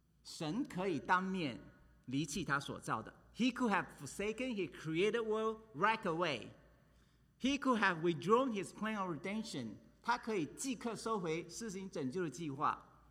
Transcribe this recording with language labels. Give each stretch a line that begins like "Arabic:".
Chinese: 问题就是我们都不想要回家，自从伊甸园被赶出去之后，神可以当面离弃他所造的。
English: He could have forsaken his created world right away. He could have withdrawn his plan of redemption.
Chinese: 他可以即刻收回施行拯救的计划。